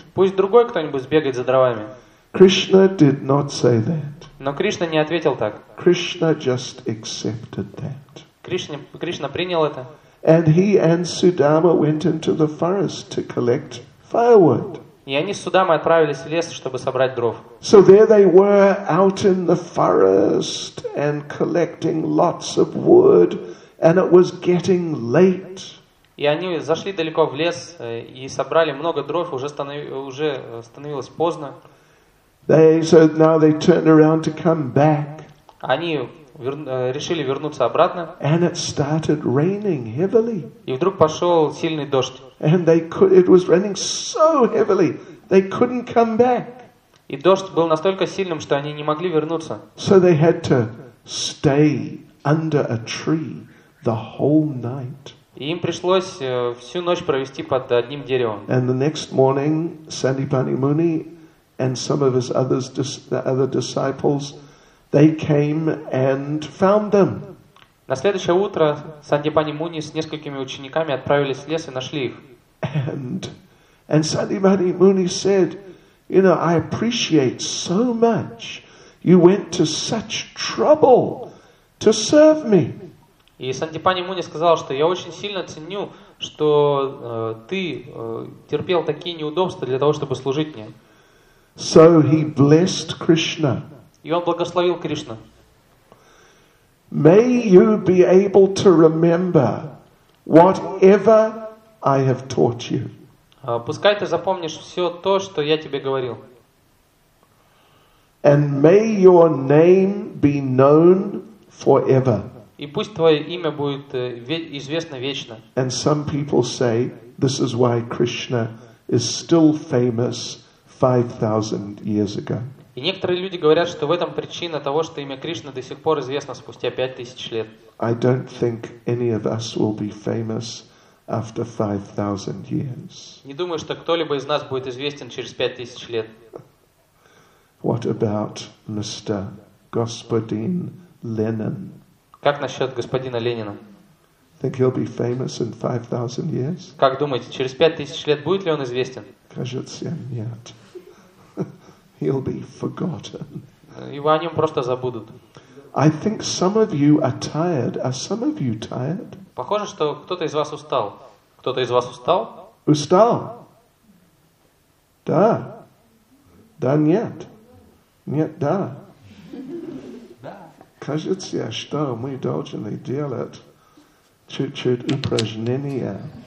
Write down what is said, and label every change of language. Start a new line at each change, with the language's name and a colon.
Russian: Пусть другой кто-нибудь сбегает за дровами.
English: Krishna did not say that.
Russian: Но Кришна не ответил так.
English: Krishna just accepted that.
Russian: Кришна принял это.
English: And he and Sudama went into the forest to collect firewood.
Russian: И они с Судамой отправились в лес, чтобы собрать дров.
English: So there they were out in the forest and collecting lots of wood, and it was getting late.
Russian: И они зашли далеко в лес и собрали много дров, уже становилось поздно.
English: Now they turned around to come back.
Russian: Они решили вернуться обратно.
English: And it started raining heavily.
Russian: И вдруг пошел сильный дождь.
English: And it was raining so heavily, they couldn't come back.
Russian: И дождь был настолько сильным, что они не могли вернуться.
English: So they had to stay under a tree the whole night.
Russian: И им пришлось всю ночь провести под одним деревом.
English: And the next morning, Sandipani Muni and some of his other disciples, they came and found them.
Russian: На следующее утро Сандипани Муни с несколькими учениками отправились в лес и нашли их.
English: And Sandipani Muni said, "You know, I appreciate so much you went to such trouble to serve me."
Russian: И Сандипани Муни сказал, что я очень сильно ценю, что ты терпел такие неудобства для того, чтобы служить мне.
English: So he blessed Krishna.
Russian: И он благословил Кришну.
English: May you be able to remember whatever I have taught you.
Russian: Пускай ты запомнишь все то, что я тебе говорил.
English: And may your name be known forever.
Russian: И пусть твое имя будет известно вечно.
English: And some people say this is why Krishna is still famous 5,000 years ago.
Russian: И некоторые люди говорят, что в этом причина того, что имя Кришны до сих пор известно спустя 5000 лет.
English: I don't think any of us will be famous after 5,000 years.
Russian: Не думаю, что кто-либо из нас будет известен через 5000 лет.
English: What about Mr.
Russian: Господин
English: Ленин?
Russian: Как насчет господина Ленина?
English: Think he'll be famous in 5,000 years?
Russian: Как думаете, через 5000 лет будет ли он известен? Кажется, нет.
English: He'll be forgotten.
Russian: Его о нем просто забудут.
English: I think some of you are tired. Are some of you tired?
Russian: Похоже, что кто-то из вас устал. Кто-то из вас устал? Устал. Да. Да нет. Нет, да. Кажется, что мы должны делать чуть-чуть упражнения.